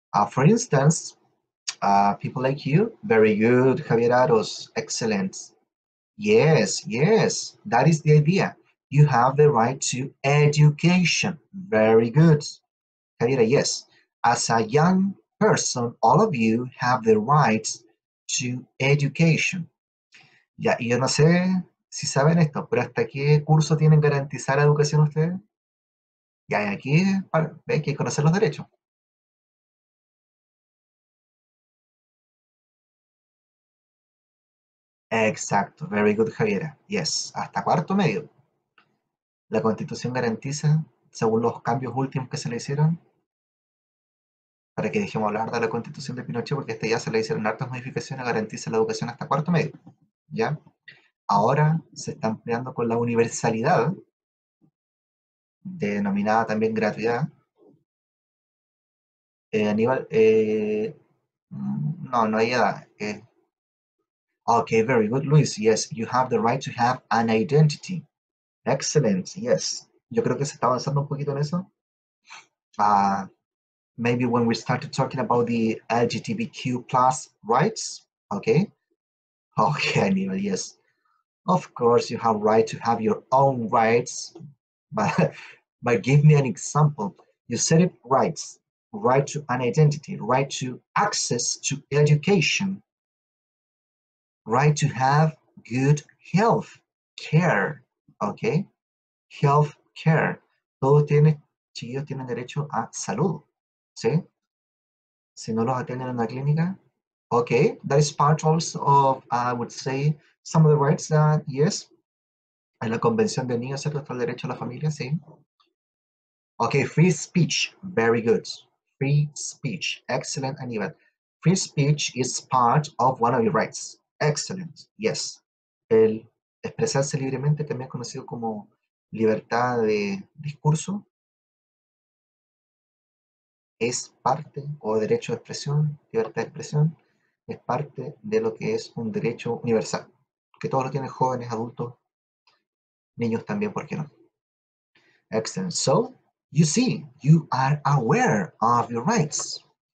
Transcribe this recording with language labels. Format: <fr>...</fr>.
<en>For instance, people like you. Very good, Javier Aros. Excellent. Yes. That is the idea. You have the right to education. Very good. Javier, yes. As a young person, all of you have the right to education.</en> <es>Ya, y yo no sé si saben esto, pero ¿hasta qué curso tienen garantizar la educación ustedes? Ya, y aquí ve que hay que conocer los derechos. Exacto,</es> <en>very good,</en> <es>Javiera.</es> <en>Yes,</en> <es>hasta cuarto medio. La Constitución garantiza, según los cambios últimos que se le hicieron. Para que dejemos hablar de la constitución de Pinochet, porque este ya se le hicieron hartas modificaciones, garantiza la educación hasta cuarto medio. ¿Ya? Ahora se está ampliando con la universalidad, denominada también gratuidad. Aníbal, no, no hay edad.</es> <en>Okay, very good, Luis. Yes, you have the right to have an identity. Excellent, yes.</en> <es>Yo creo que se está avanzando un poquito en eso.</es> <en>Maybe when we started talking about the LGBTQ plus rights, okay? Okay, Aníbal, yes. Of course, you have right to have your own rights, but give me an example. You said it rights, right to an identity, right to access to education, right to have good health care, okay? Health care.</en> <es>Todos tienen, chicos, tienen derecho a salud, ¿sí? Si no los atienden en la clínica.</es> <en>Okay, that is part also of, I would say, some of the rights that, yes,</en> <es>en la Convención de Niños, ¿cierto? Está el derecho a la familia, sí.</es> <en>Okay, free speech, very good. Free speech, excellent, Aníbal. Free speech is part of one of your rights. Excellent, yes.</en> <es>El expresarse libremente, también es conocido como libertad de discurso, es parte, o derecho de expresión, libertad de expresión. Es parte de lo que es un derecho universal, que todos lo tienen, jóvenes, adultos, niños también, ¿por qué no?</es> <en>Excellent. So, you see, you are aware of your rights.</en>